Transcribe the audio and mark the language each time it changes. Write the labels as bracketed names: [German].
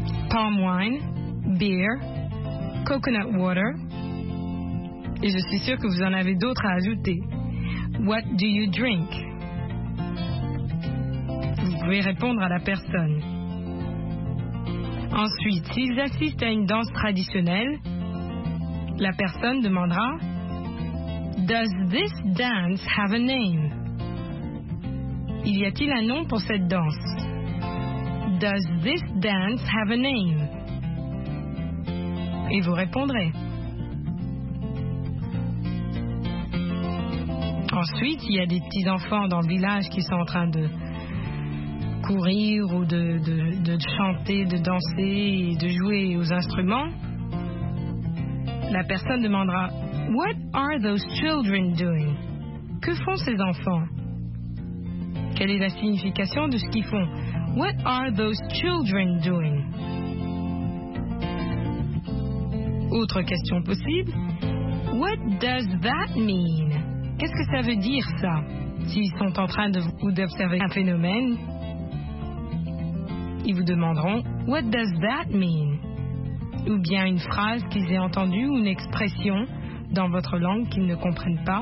[English] Palm wine, beer, coconut water. [French] Et je suis sûre que vous en avez d'autres à ajouter. [English] What do you drink? [French] Vous pouvez répondre à la personne. Ensuite, s'ils assistent à une danse traditionnelle, la personne demandera « [English] Does this dance have a name ?» [French] Y a-t-il un nom pour cette danse ?« [English] Does this dance have a name ?» [French] Et vous répondrez. Ensuite, il y a des petits-enfants dans le village qui sont en train de courir ou de chanter, de danser et de jouer aux instruments, la personne demandera « [English] What are those children doing ?» [French] Que font ces enfants ? Quelle est la signification de ce qu'ils font ? [English] « What are those children doing ?» [French] Autre question possible, [English] « What does that mean ?» [French] Qu'est-ce que ça veut dire, ça ? S'ils sont en train de ou d'observer un phénomène, ils vous demanderont « [English] What does that mean ?» [French] ou bien une phrase qu'ils aient entendue ou une expression dans votre langue qu'ils ne comprennent pas.